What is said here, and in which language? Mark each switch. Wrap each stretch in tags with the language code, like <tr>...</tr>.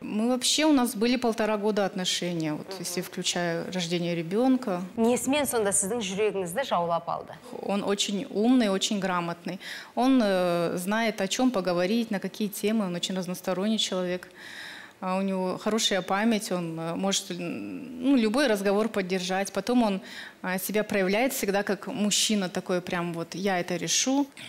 <ru>Мы вообще у нас были полтора года отношения, вот, если включая рождение ребенка.</ru> <kk>Несімен сонда сіздің жүрегіңізді жаулап алды?</kk> <ru>Он очень умный, очень грамотный. Он знает, о чем поговорить, на какие темы. Он очень разносторонний человек. У него хорошая память, он может любой разговор поддержать. Потом он себя проявляет всегда как мужчина такой прям вот, я это решу.</ru>